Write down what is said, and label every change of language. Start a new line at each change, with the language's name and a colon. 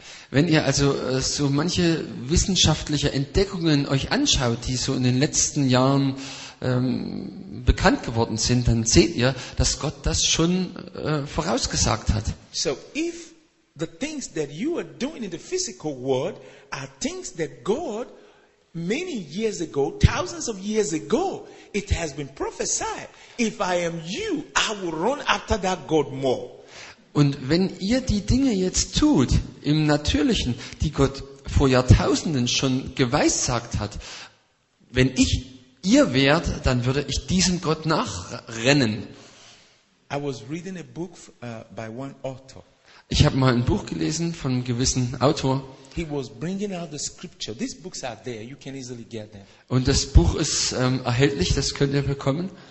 German: Wenn ihr also so manche wissenschaftliche Entdeckungen euch anschaut, die so in den letzten Jahren bekannt geworden sind, dann seht ihr, dass Gott das schon vorausgesagt hat.
English: So if the things that you are doing in the physical world are things that God many years ago, thousands of years ago, it has been prophesied. If I am you, I will run after that God more.
German: Und wenn ihr die Dinge jetzt tut, im Natürlichen, die Gott vor Jahrtausenden schon geweissagt hat, wenn ich ihr wärt, dann würde ich diesem Gott nachrennen.
English: I was reading a book by one author.
German: Ich habe mal ein Buch gelesen von einem gewissen Autor.
English: He was bringing out the scripture. These books are there, you can easily get them.
German: Und das Buch ist erhältlich, das könnt ihr bekommen.